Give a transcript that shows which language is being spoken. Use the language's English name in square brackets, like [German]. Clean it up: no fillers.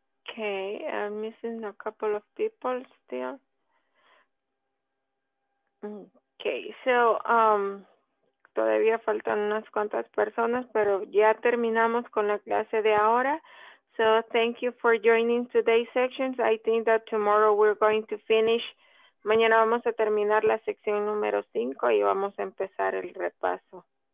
[English] Okay, I'm missing a couple of people still. [Spanish] Okay, so todavía faltan unas cuantas personas, pero ya terminamos con la clase de ahora. [English] So thank you for joining today's sections. I think that tomorrow we're going to finish. [Spanish] Mañana vamos a terminar la sección número 5 y vamos a empezar el repaso.